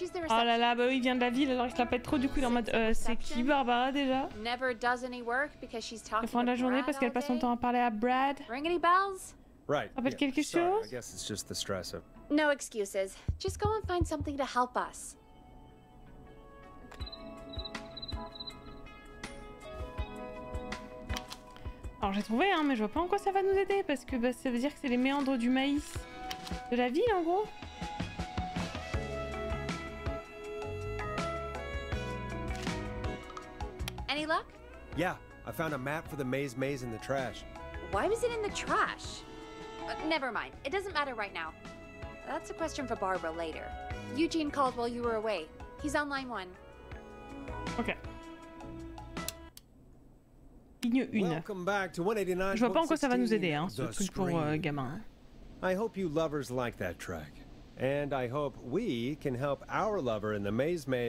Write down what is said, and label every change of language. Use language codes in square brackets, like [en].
[fr] Oh là là, bah oui, il vient de la ville, alors il se la pète trop du coup, dans mode c'est qui Barbara déjà? Elle prend la journée parce qu'elle passe son temps à parler à Brad. [en] Ring any bells? Right. [fr] Rappelle yeah. Quelque chose? [en] I guess it's just the stress of... No excuses. Just go and find something to help us. [fr] Alors j'ai trouvé, hein, mais je vois pas en quoi ça va nous aider parce que bah, ça veut dire que c'est les méandres du maïs de la ville en gros. [en] Any luck? Yeah, I found a map for the maze in the trash. Why was it in the trash? Never mind, it doesn't matter right now. That's a question for Barbara later. Eugene called while you were away. He's on line one. Okay. [fr] Ligne une. [en] Welcome back to 189. [fr] Je vois pas en quoi ça va nous aider, hein, ce truc pour gamin. [en] I hope you lovers like that track. And I hope we can help our lover in the maze.